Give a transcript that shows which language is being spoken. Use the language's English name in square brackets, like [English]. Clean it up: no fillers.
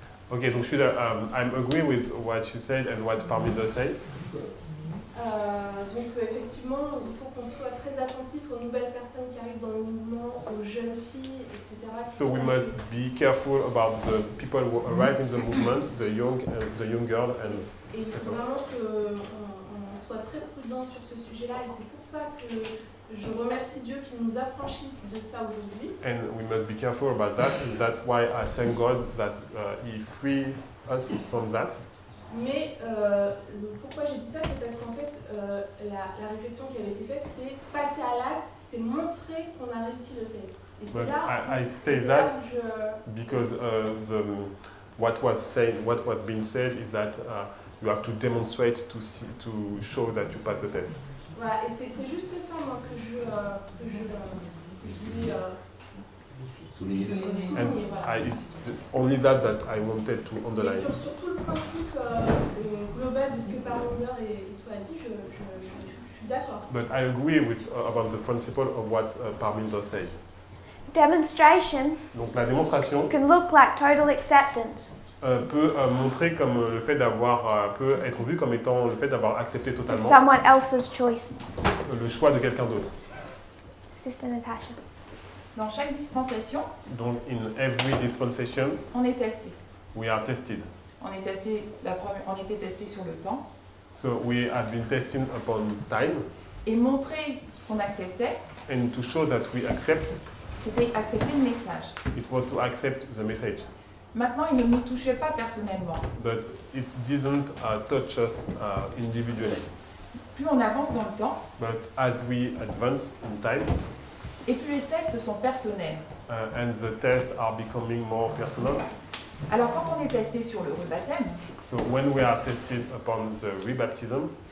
[English] Ok, donc Sudha, I'm agree with what you said and what Parminder says. [French] Donc effectivement, il faut qu'on soit très attentif aux nouvelles personnes qui arrivent dans le mouvement, aux jeunes filles, etc. [English] So we must be careful about the people who arrive in the movement, the young and the young girl and. [French] Et il faut vraiment qu'on soit très prudent sur ce sujet-là et c'est pour ça que. Je remercie Dieu qui nous affranchisse de ça aujourd'hui. [English] And we must be careful about that. That's why I thank God that He freed us from that. [French] Mais pourquoi j'ai dit ça, c'est parce qu'en fait, la réflexion qui avait été faite, c'est passer à l'acte, c'est montrer qu'on a réussi le test. Et [English] But [French] c'est là I say c'est that là où je... [English] because the what was said, what was being said, is that you have to demonstrate to see, to show that you pass the test. [French] Voilà, et c'est juste ça, moi, que je voulais souligner. [English] Voilà. Only that I wanted to underline. [French] Et surtout le principe global de ce que Parminder et toi a dit, je suis d'accord. [English] But I agree with about the principle of what Parminder says. Demonstration. [French] Donc la démonstration. [English] Can look like total acceptance. [French] Peut montrer comme le fait d'avoir peut être vu comme étant le fait d'avoir accepté totalement [English] someone else's choice. [French] Le choix de quelqu'un d'autre. [English] Sister Natasha. [French] Dans chaque dispensation. [English] Donc in every dispensation. [French] On est testé. [English] We are tested. [French] On est testé la première. On était testé sur le temps. [English] So we have been testing upon time. [French] Et montrer qu'on acceptait. [English] And to show that we accept. [French] C'était accepter le message. [English] It was to accept the message. [French] Maintenant, il ne nous touchait pas personnellement. [English] But it didn't touch us individually. [French] Plus on avance dans le temps. [English] But as we advance in time. [French] Et plus les tests sont personnels. [English] And the tests are becoming more personal. [French] Alors, quand on est testé sur le rebaptême. [English] So when we are tested upon the rebaptism.